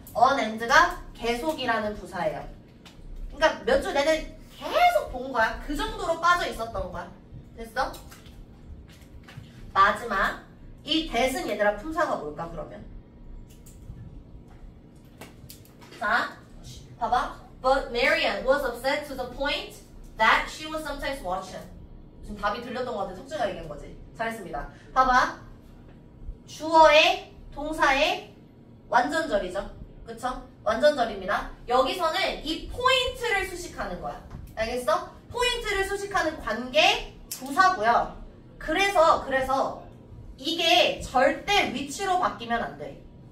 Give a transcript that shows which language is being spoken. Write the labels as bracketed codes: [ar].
[ko] on end가 계속이라는 부사예요. 그러니까 몇 주 내내 계속 본 거야. 그 정도로 빠져 있었던 거야. 됐어? 마지막 이 that은 얘들아 품사가 뭘까 그러면? 자, 봐봐. [en] But Marian was upset to the point that she was sometimes watching. [ko] 지금 답이 들렸던 것 같아. 석재가 얘기한 거지. 잘했습니다. 봐봐. 주어의 동사의 완전절이죠. 그쵸? 완전절입니다. 여기서는 이 포인트를 수식하는 거야. 알겠어? 포인트를 수식하는 관계 부사고요. 그래서 이게 절대 위치로 바뀌면 안 돼.